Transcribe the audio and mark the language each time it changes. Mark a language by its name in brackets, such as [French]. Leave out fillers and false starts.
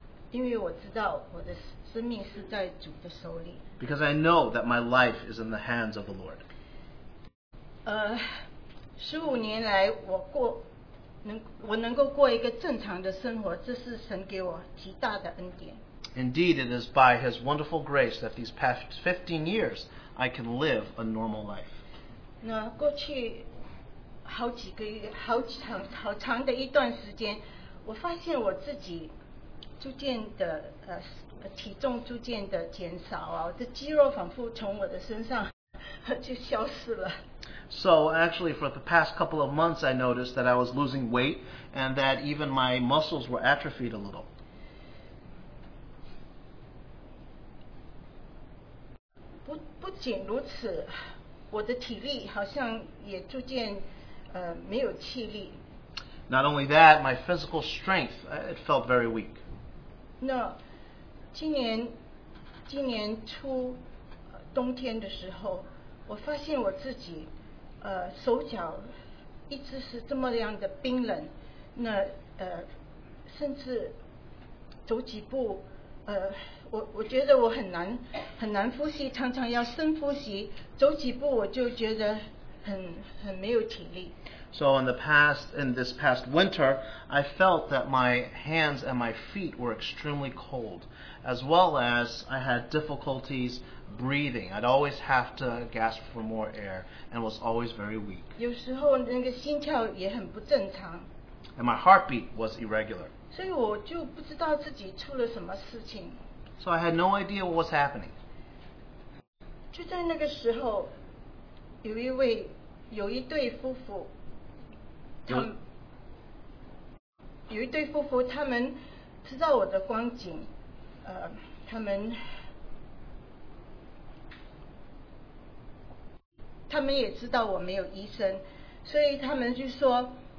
[Chinese] 因为我知道我的生命是在主的手里。 [English] Because I know that my life is in the hands of the Lord. 15 years ago, [Chinese] 我能够过一个正常的生活，这是神给我极大的恩典。 [English] Indeed, it is by His wonderful grace that these past 15 years I can live a normal life. [Chinese] 那过去好几个月、好长、好长的一段时间，我发现我自己逐渐的体重逐渐的减少啊，这肌肉仿佛从我的身上就消失了。 [English] So actually, for the past couple of months, I noticed that I was losing weight, and that even my muscles were atrophied a little. [Chinese] 不仅如此，我的体力好像也逐渐没有气力。 [English] Not only that, my physical strength it felt very weak. [Chinese] 那今年初冬天的时候，我发现我自己手脚一直是这么样的冰冷，那甚至走几步我觉得我很难呼吸，常常要深呼吸，走几步我就觉得很没有体力。 [English] So in this past winter, I felt that my hands and my feet were extremely cold, as well as I had difficulties breathing. I'd always have to gasp for more air and was always very weak. [Chinese] 有时候那个心跳也很不正常。 [English] And my heartbeat was irregular. [Chinese] 所以我就不知道自己出了什么事情。 [English] So I had no idea what was happening. [Chinese] 就在那个时候，有一对夫妇，他们知道我的光景，他们也知道我没有医生，所以他们就说，